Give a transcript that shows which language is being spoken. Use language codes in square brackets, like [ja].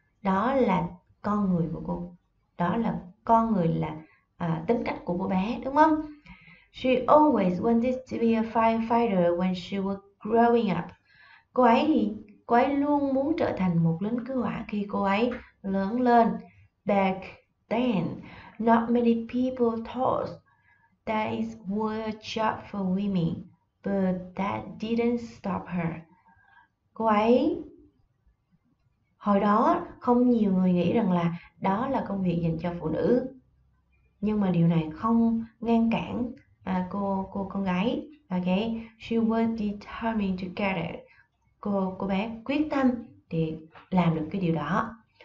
[vi] Đó là con người của cô. Đó là con người là tính cách của cô bé, đúng không? [en] She always wanted to be a firefighter when she was growing up. [vi] Cô ấy luôn muốn trở thành một lính cứu hỏa khi cô ấy lớn lên. [en] Back then, not many people thought that it was a job for women, but that didn't stop her. [vi] Cô ấy hồi đó không nhiều người nghĩ rằng là đó là công việc dành cho phụ nữ, nhưng mà điều này không ngăn cản cô con gái. Okay, [en] she was determined to get it. [vi] Cô bé quyết tâm để làm được cái điều đó.